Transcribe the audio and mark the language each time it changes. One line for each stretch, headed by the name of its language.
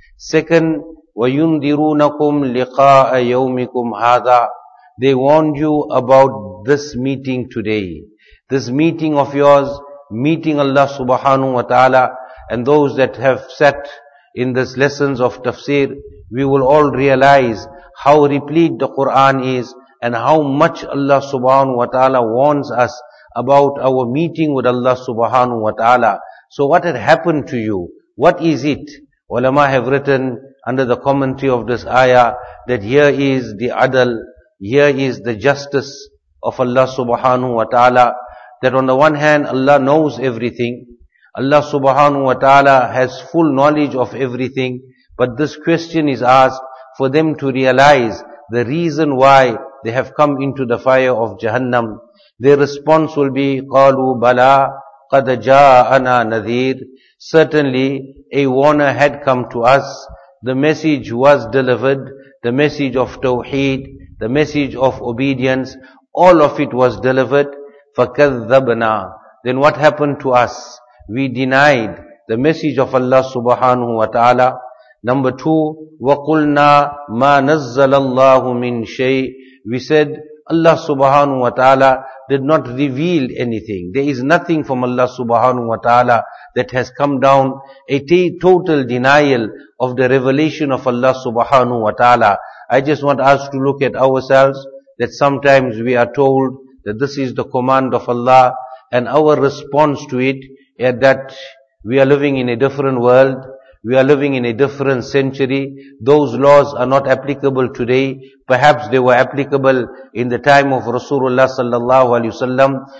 English: Second,
Arabic: وَيُنذِرُونَكُمْ لِقَاءَ يَوْمِكُمْ هَذَا.
English: They warned you about this meeting today. This meeting of yours, meeting Allah subhanahu wa ta'ala, and those that have sat in this lessons of tafsir, we will all realize how replete the Quran is, and how much Allah subhanahu wa ta'ala warns us about our meeting with Allah subhanahu wa ta'ala. So what had happened to you? What is it? Ulama have written under the commentary of this ayah that here is the adl, here is the justice of Allah subhanahu wa ta'ala. That on the one hand, Allah knows everything. Allah subhanahu wa ta'ala has full knowledge of everything. But this question is asked for them to realize the reason why they have come into the fire of Jahannam. Their response will be,
Arabic: قَالُوا بَلَىٰ قَدْ جَاءَنَا نَذِيرٌ.
English: Certainly, a warner had come to us. The message was delivered. The message of Tawheed, the message of obedience, all of it was delivered.
Arabic: فَكَذَّبْنَا.
English: Then what happened to us? We denied the message of Allah subhanahu wa ta'ala. Number two,
Arabic: وَقُلْنَا مَا نَزَّلَ اللَّهُ مِنْ شَيْءٍ.
English: We said, Allah subhanahu wa ta'ala did not reveal anything. There is nothing from Allah subhanahu wa ta'ala that has come down. A total denial of the revelation of Allah subhanahu wa ta'ala. I just want us to look at ourselves, that sometimes we are told that this is the command of Allah, and our response to it, yeah, that we are living in a different world, we are living in a different century, those laws are not applicable today, perhaps they were applicable in the time of Rasulullah sallallahu alayhi wasallam.